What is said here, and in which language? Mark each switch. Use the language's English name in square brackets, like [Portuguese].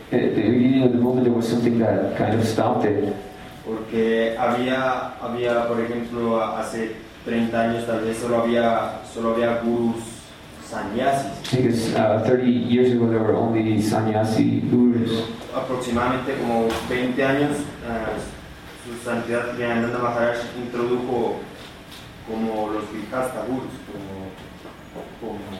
[English] The beginning of the movement there was something that kind of stopped it. [Spanish] Porque había, por ejemplo, hace 30 años tal vez solo había gurus sannyasis. [English] Because 30 years ago there were only sannyasi gurus. [Spanish] Aproximadamente como 20 años, su santidad Vivekananda Maharaj introdujo como los vihasta gurus, como